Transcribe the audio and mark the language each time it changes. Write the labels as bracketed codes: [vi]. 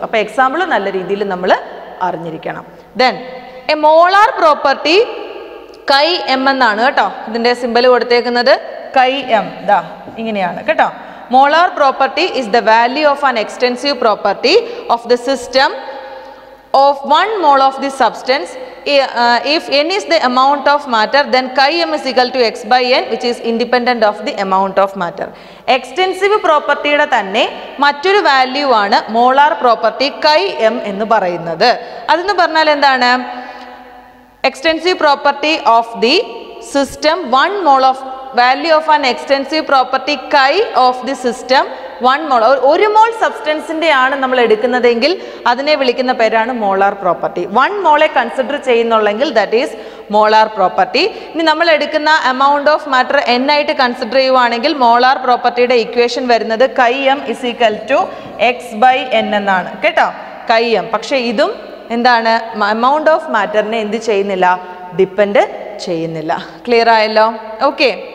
[ml] അപ്പോൾ എക്സാമ്പിൾ നല്ല രീതിയിൽ നമ്മൾ അറിഞ്ഞിരിക്കണം. [en] then a molar property chi m [ml] എന്നാണ് കേട്ടോ. ഇതിൻ്റെ സിമ്പിൾ കൊടുത്തേക്കുന്നത് കൈ എം. ദാ ഇങ്ങനെയാണ് കേട്ടോ. [en] Molar property is the value of an extensive property of the system of one mole of the substance. If n is the amount of matter, then chi m is equal to x by n, which is independent of the amount of matter. [ml] Extensive property യുടെ തന്നെ മറ്റൊരു value ആണ് molar property chi m എന്ന് പറയുന്നത്. അതെന്ന് പറഞ്ഞാൽ എന്താണ്? [en] Extensive property of the system, one mole of value of an extensive property chi of the system, one mole, [ml] ഒരു മോൾ സബ്സ്റ്റൻസിൻ്റെ ആണ് നമ്മൾ എടുക്കുന്നതെങ്കിൽ അതിനെ വിളിക്കുന്ന പേരാണ് മോളാർ പ്രോപ്പർട്ടി. വൺ മോളെ consider ചെയ്യുന്നുള്ളെങ്കിൽ [en] That is molar property. [ml] ഇനി നമ്മൾ എടുക്കുന്ന അമൗണ്ട് ഓഫ് മാറ്റർ എൻ ആയിട്ട് കൺസിഡർ ചെയ്യുവാണെങ്കിൽ മോളാർ പ്രോപ്പർട്ടിയുടെ ഇക്വേഷൻ വരുന്നത് [en] chi M is equal to X by N [ml] എന്നാണ് കേട്ടോ, കൈ എം. പക്ഷേ ഇതും എന്താണ്, അമൗണ്ട് ഓഫ് മാറ്ററിനെ എന്ത് ചെയ്യുന്നില്ല, ഡിപ്പെൻഡ് ചെയ്യുന്നില്ല. ക്ലിയർ ആയല്ലോ. ഓക്കെ.